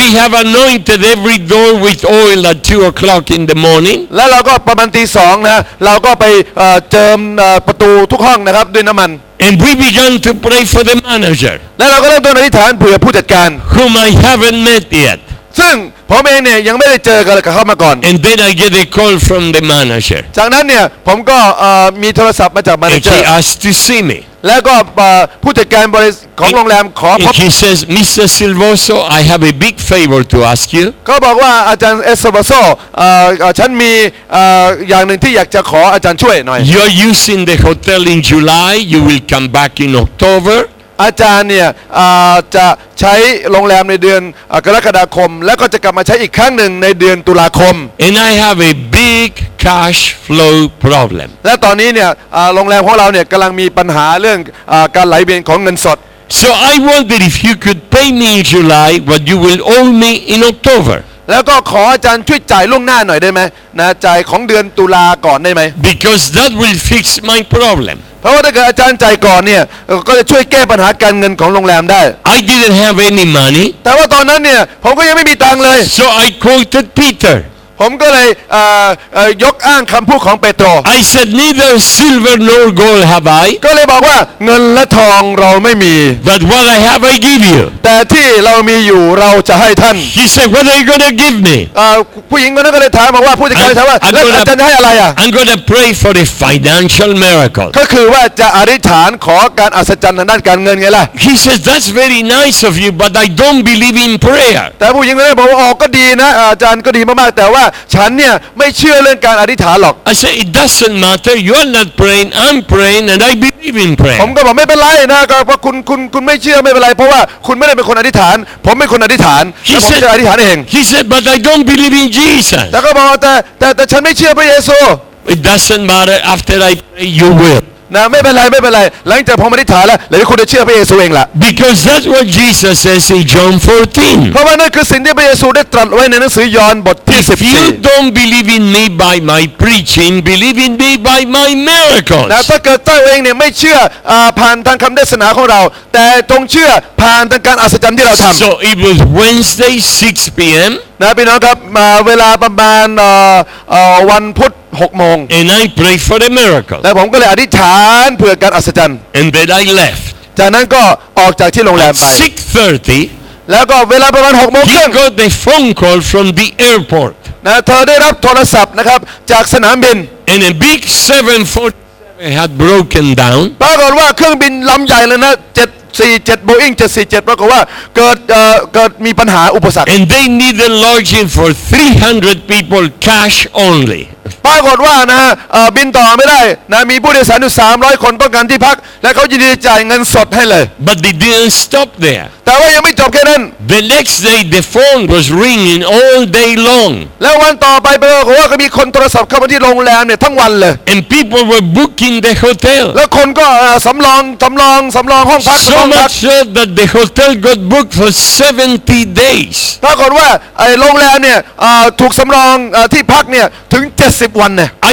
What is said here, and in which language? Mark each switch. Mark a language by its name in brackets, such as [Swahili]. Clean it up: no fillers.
[English] We have anointed every door with oil at 2 o'clock in the morning [Thai] แล้วเราก็ประมาณตีสองนะเราก็ไปเจิมประตูทุกห้องนะครับด้วยน้ำมัน [English] And we began to pray for the manager [Thai] แล้วเราก็เริ่มเดินอธิษฐานเผื่อผู้จัดการ [English] Whom I haven't met yet [Thai] ซึ่งผมเองเนี่ยยังไม่ได้เจอกันเลยกับเขามาก่อน [English] And then I get a call from the manager [Thai] จากนั้นเนี่ยผมก็มีโทรศัพท์มาจากแมเนเจอร์ [English] And he asked to see me [Thai] แล้วก็ผู้จัดการบริษัทของโรงแรมขอพ [English] บ He says Mr. Silvoso I have a big favor to ask you [Thai] ก็บอกว่าอาจารย์เอสซาวาโซฉันมีอย่างหนึ่งที่อยากจะขออาจารย์ช่วยหน่อย [English] You are using the hotel in July you will come back in October [Thai] อาจารย์เนี่ยจะใช้โรงแรมในเดือนกรกฎาคมแล้วก็จะกลับมาใช้อีกครั้งหนึ่งในเดือนตุลาคม [English] And I have a big cash flow problem [Thai] และตอนนี้เนี่ยโรงแรมของเราเนี่ยกำลังมีปัญหาเรื่องการไหลเวียนของเงินสด [English] So I wonder if you could pay me in July what you will owe me in October [Thai] แล้วก็ขออาจารย์ช่วยจ่ายล่วงหน้าหน่อยได้ไหมนะจ่ายของเดือนตุลาก่อนได้ไหม [English] Because that will fix my problem [Thai] เพราะว่าถ้าเกิดอาจารย์จ่ายก่อนเนี่ยก็จะช่วยแก้ปัญหาการเงินของโรงแรมได้ [English] I didn't have any money [Thai] แต่ว่าตอนนั้นเนี่ยผมก็ยังไม่มีตังค์เลย [English] So I quoted Peter [Thai] ผมก็เลยยกอ้างคำพูดของเปโตร [English] I said neither silver nor gold have I [Thai] ก็เลยบอกว่าเงินและทองเราไม่มี [English] But what I have I give you [Thai] แต่ที่เรามีอยู่เราจะให้ท่าน [English] He said, "What are you going to give me?" [Thai] ผู้หญิงคนนั้นก็เลยถามบอกว่าผู้จัดการถามว่าแล้วอาจารย์จะให้อะไรอ่ะ [English] I'm going to pray for a financial miracle. [Thai] ก็คือว่าจะอธิษฐานขอการอัศจรรย์ทางด้านการเงินไงล่ะ [English] He says, "That's very nice of you, but I don't believe in prayer." [Thai] แต่ผู้หญิงคนนั้นบอกว่าอ๋อก็ดีนะอาจารย์ก็ดีมากๆแต่ว่าฉันเนี่ยไม่เชื่อเรื่องการอธิษฐานหรอก [English] I said, "It doesn't matter. You are not praying. I'm praying, and I believe in prayer." [Thai] ผมก็บอกไม่เป็นไรนะก็เพราะคุณไม่เชื่อไม่เป็นไรเพราะว่าคุณไม่ได้เป็นคนอธิษฐานผมเป็นคนอธิษฐานผมจะอธิษฐานเอง [English] He said but I don't believe in Jesus [Thai] แต่ก็บอกแต่ฉันไม่เชื่อพระเยซู [English] It doesn't matter after I pray you will [Thai] นะไม่เป็นไรหลังจากผมอธิษฐานแล้วเดี๋ยวคุณจะเชื่อพระเยซูเองล่ะ [English] Because that's what Jesus says in John 14 [Thai] เพราะว่านั่นคือสิ่งที่พระเยซูได้ตรัสไว้ในหนังสือยอห์นบทที่14 [English] If you don't believe in me by my preaching believe in me by my miracles [Thai] นะถ้าเกิดตัวเองเนี่ยไม่เชื่อผ่านทางคำเทศนาของเราแต่จงเชื่อผ่านทางการอัศจรรย์ที่เราทำ [English] So it was Wednesday 6 p.m. [Thai] นะพี่น้องครับมาเวลาประมาณวันพุธหกโมง [English] And I pray for the miracle [Thai] แล้วผมก็เลยอธิษฐานเพื่อการอัศจรรย์ [English] And then I left [Thai] จากนั้นก็ออกจากที่โรงแรมไป [English] 6:30 [Thai] แล้วก็เวลาประมาณหกโมงครึ่ง [English] He got a phone call from the airport [Thai] นะเธอได้รับโทรศัพท์นะครับจากสนามบิน [English] And a big 747 had broken down [Thai] ปรากฏว่าเครื่องบินลำใหญ่เลยนะ747 Boeing 747ปรากฏว่าเกิดมีปัญหาอุปสรรค [English] And they need a lodging for 300 people cash only [Thai] ปรากฏว่านะบินต่อไม่ได้นะมีผู้โดยสารอยู่300คนต้องการที่พักและเขายินดีจ่ายเงินสดให้เลย [English] But they didn't stop there [Thai] แต่ว่ายังไม่จบแค่นั้น [English] The next day the phone was ringing all day long [Thai] แล้ววันต่อไปปรากฏว่าก็มีคนโทรศัพท์เข้ามาที่โรงแรมเนี่ยทั้งวันเลย [English] And people were booking the hotel [Thai] แล้วคนก็สำรองห้องพัก [English] So much so that the hotel got booked for 70 days [Thai] ปรากฏว่าไอ้โรงแรมเนี่ยถูกสำรองที่พักเนี่ยถึง70วันน่ะ